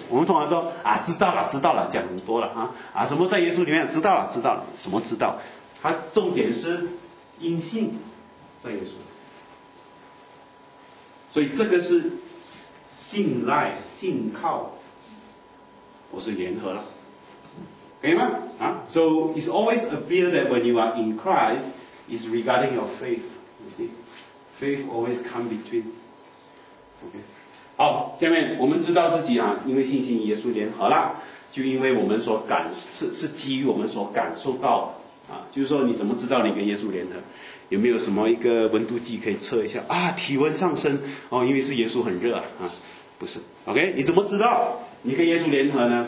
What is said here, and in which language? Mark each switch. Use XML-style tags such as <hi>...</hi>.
<zh>我们通常说啊，知道了知道了，讲很多了啊，啊什么在耶稣里面，知道了知道了，什么知道，它重点是因信在耶稣。所以这个是信赖信靠，我是联合了，可以吗？</zh> <en>啊 ，So it's always appear that when you are in Christ, it's regarding your faith. You see, faith always come between. Okay.</en> <zh>好，下面我们知道自己啊，因为信心与耶稣联合了，就因为我们所感是基于我们所感受到啊，就是说你怎么知道你跟耶稣联合？有没有什么一个温度计可以测一下啊？体温上升哦，因为是耶稣很热啊，不是 ？OK， 你怎么知道你跟耶稣联合呢？</zh>